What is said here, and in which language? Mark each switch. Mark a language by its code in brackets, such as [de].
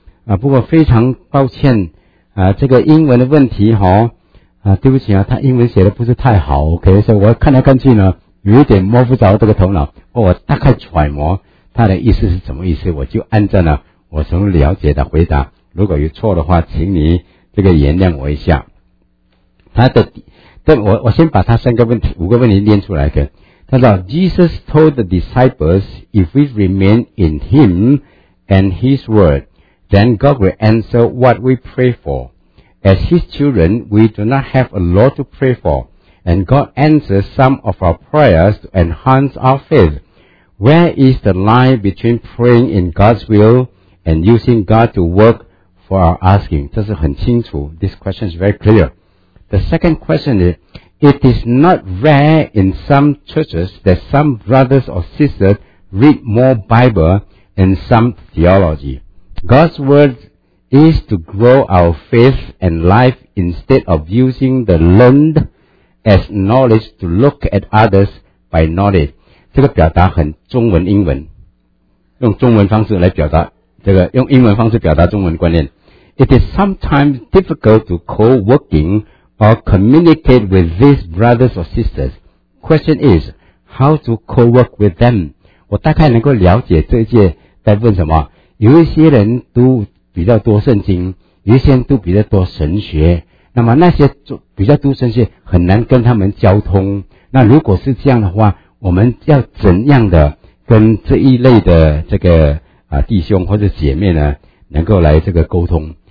[zh] 啊、不过非常抱歉啊，这个英文的问题啊，对不起啊，他英文写的不是太好 OK, 所以我看来看去呢有一点摸不着这个头脑，不过我大概揣摩他的意思是什么意思，我就按照呢我从了解的回答，如果有错的话请你这个原谅我一下。他的但我先把他三个问题五个问题念出来的。他说 [en] Jesus told the disciples, if we remain in him and his word, then God will answer what we pray for. As his children, we do not have a lot to pray for, and God answers some of our prayers to enhance our faith. Where is the line between praying in God's will and using God to work for our asking? [zh] 这是很清楚。 [en] This question is very clear. The second question is, it is not rare in some churches that some brothers or sisters read more Bible and some theology. God's word is to grow our faith and life instead of using the learned as knowledge to look at others by knowledge. [zh] 这个表达很中文英文。用中文方式来表达。这个用英文方式表达中文观念。 It is sometimes difficult to co-working or communicate with these brothers or sisters. Question is, how to co-work with them? 我大概能够了解这一届在问什么。有一些人读比较多圣经，有一些人读比较多神学，那么那些比较读神学很难跟他们交通。那如果是这样的话，我们要怎样的跟这一类的这个啊，弟兄或者姐妹呢能够来这个沟通。